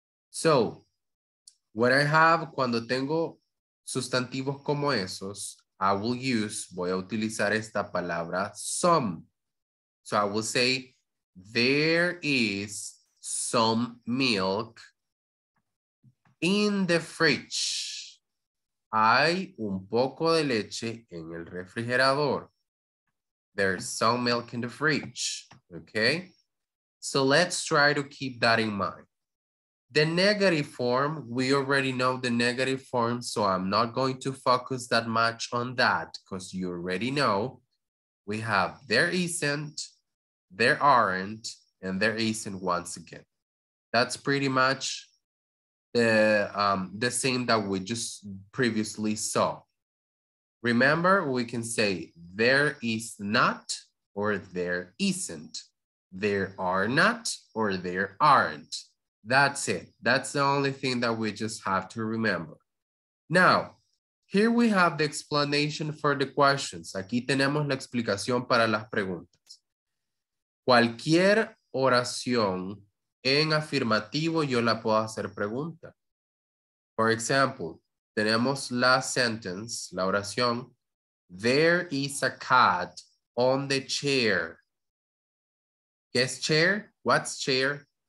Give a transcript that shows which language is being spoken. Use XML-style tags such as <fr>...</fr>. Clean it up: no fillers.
<en>So, when I have,</en> <es>cuando tengo sustantivos como esos,</es> <en>I will use,</en> <es>voy a utilizar esta palabra, some.</es> <en>So I will say, there is some milk in the fridge.</en> <es>Hay un poco de leche en el refrigerador.</es> <en>There's some milk in the fridge. Okay? So let's try to keep that in mind. The negative form, we already know the negative form, so I'm not going to focus that much on that because you already know. We have there isn't, there aren't, and there isn't once again. That's pretty much the same that we just previously saw. Remember, we can say there is not or there isn't. There are not or there aren't. That's it. That's the only thing that we just have to remember. Now, here we have the explanation for the questions.</en> <es>Aquí tenemos la explicación para las preguntas. Cualquier oración en afirmativo, yo la puedo hacer pregunta.</es> <en>For example,</en> <es>tenemos la sentence, la oración.</es> <en>There is a cat on the chair.</en> <es>¿Qué es chair?</es> <en>What's chair?</en>